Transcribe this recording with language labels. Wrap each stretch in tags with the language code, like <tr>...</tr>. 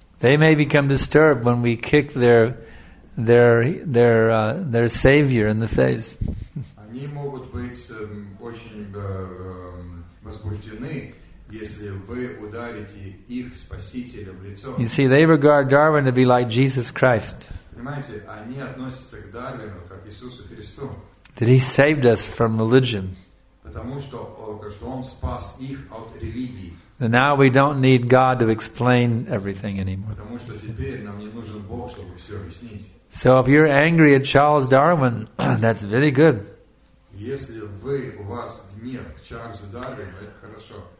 <en>They may become disturbed when we kick their savior in the face.</en> <ru>Они могут быть очень возбуждены, если вы ударите их спасителя в лицо.</ru> <en>You see, they regard Darwin to be like Jesus Christ.</en> <ru>Понимаете, они относятся к Дарвину как к Иисусу Христу.</ru> <en>That he saved us from religion.</en> <ru>Потому что он спас их от религии.</ru> <en>And now we don't need God to explain everything anymore.</en> <ru>Потому что теперь нам не нужен Бог, чтобы все объяснить.</ru> <en>So if you're angry at Charles Darwin, that's very good.</en> <ru>Если у вас гнев к Чарльзу Дарвину, это хорошо.</ru>